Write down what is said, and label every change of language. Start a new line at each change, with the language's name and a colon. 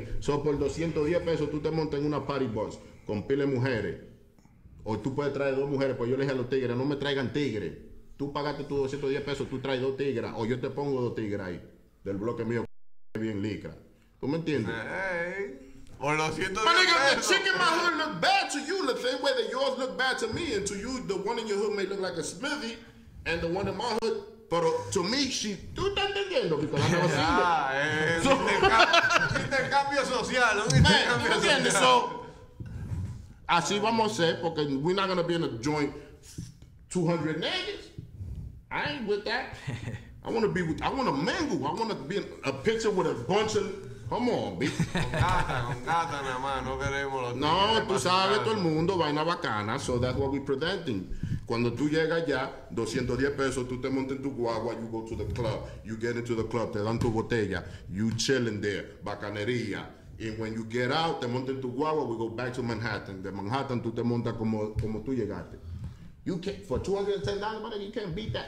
Spanish: So, por 210 pesos, tú te montas en una party bus con pile mujeres. O tú puedes traer dos mujeres, pues yo le dije a los tigres, no me traigan tigres. Tú pagaste tus 210 pesos, tú traes dos tigres. O yo te pongo dos tigres ahí, del bloque mío, bien licra. ¿Tú me entiendes? Hey. O lo siento.
English: My nigga, the chick in my hood look bad to you the same way that yours look bad to me. And to you, the one in your hood may look like a smoothie. And the one in my hood, pero to me, she.
Spanish: ¿Tú estás entendiendo? Porque la nueva ciudad. Ah, es un intercambio social. ¿Tú entiendes?
English: So,
Spanish: así vamos a hacer, porque
English: we're not going to be in a joint 200 niggas. I ain't with that. I want to be with, I want to mingle. I want to be in a picture with a bunch of, come on, bitch.
Spanish: Con gata, mi mamá, no queremos los niños. No, tú sabes, todo el mundo, vaina bacana,
English: so that's what we're presenting.
Spanish: Cuando tú llegas ya, 210 pesos, tú te montas en tu guagua,
English: you go to the club,
Spanish: you get into the club, te dan tu botella,
English: you chilling there,
Spanish: bacanería.
English: And when you get out,
Spanish: te montas en tu guagua,
English: we go back to Manhattan.
Spanish: De Manhattan, tú te montas como tú llegaste.
English: You can't, for $210, buddy, you can't beat that.